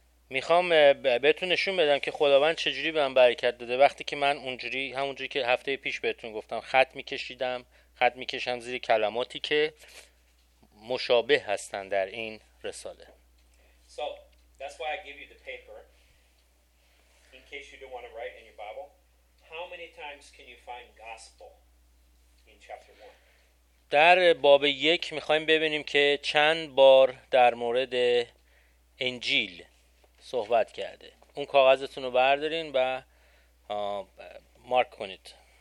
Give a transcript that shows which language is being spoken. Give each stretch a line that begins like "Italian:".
Persian: میخوام بهتون نشون بدم که خداوند چجوری به من برکت داده وقتی که من اونجوری همونجوری که هفته پیش بهتون گفتم خط میکشیدم، خط میکشم زیر کلماتی که مشابه هستن در این رساله.
English: So that's why I give you the paper in case you don't want to write in your Bible. How many times can you find gospel in chapter 1?
Persian: در باب 1 میخوایم ببینیم که چند بار در مورد انجیل صحبت کرده. اون کاغذتون رو بردارین و مارک کنید.